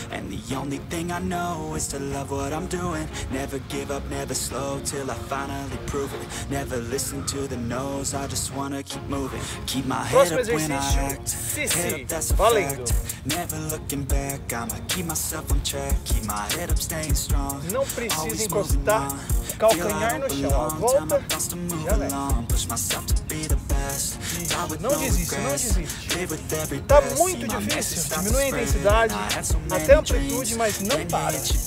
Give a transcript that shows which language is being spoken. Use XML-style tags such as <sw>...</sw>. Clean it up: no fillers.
<en>And the only thing I know is to love what I'm doing. Never give up, never slow, till I finally prove it. Never listen to the no's, I just wanna keep moving. Keep my head up when I act. Head up, that's a fact. Never looking back, I'ma keep myself on track. Keep my head up, staying strong. Always moving on.</en> <pt>Calcanhar no chão, volta, já leva.</pt> <en>Push myself to be the best.</en> <pt>Não desiste, não desiste. Tá muito difícil, diminui a intensidade, até a amplitude, mas não para.</pt>